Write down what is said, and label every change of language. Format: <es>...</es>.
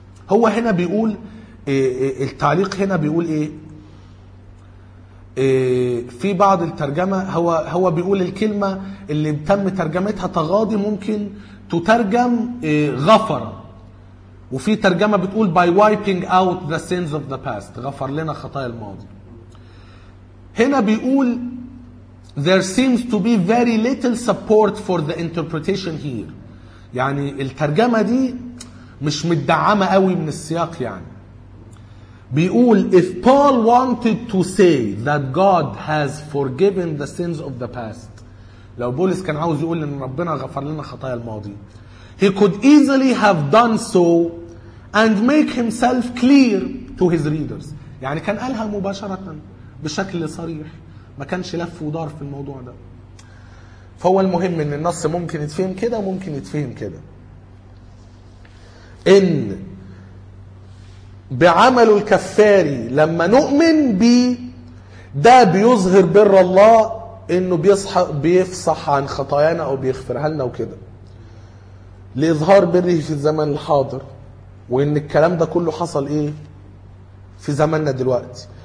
<ar>هو هنا بيقول التعليق هنا بيقول إيه؟ في بعض الترجمة هو بيقول الكلمة اللي تم ترجمتها تغاضي ممكن تترجم غفر وفي ترجمة بتقول</ar> <en>by wiping out the sins of the past</en> <ar>غفر لنا خطايا الماضي.</ar> <en>هنا بيقول there seems to be very little support for the interpretation here</en> <ar>يعني الترجمة دي مش مدعمة قوي من السياق.</ar> <en>يعني بيقول if Paul wanted to say that God has forgiven the sins of the past</en> <ar>لو بولس كان عاوز يقول ان ربنا غفر لنا خطايا الماضي,</ar> <en>he could easily have done so and make himself clear to his readers.</en> <ar>يعني كان قالها مباشرة بشكل صريح, ما كانش لف ودار في الموضوع ده. فهو المهم ان النص ممكن يتفهم كده وممكن يتفهم كده, ان بعمل الكفاري لما نؤمن به ده بيظهر بر الله انه بيفصح عن خطايانا او بيغفرها لنا وكده, لاظهار بره في الزمن الحاضر, وان الكلام ده كله حصل ايه في زماننا دلوقتي.</ar>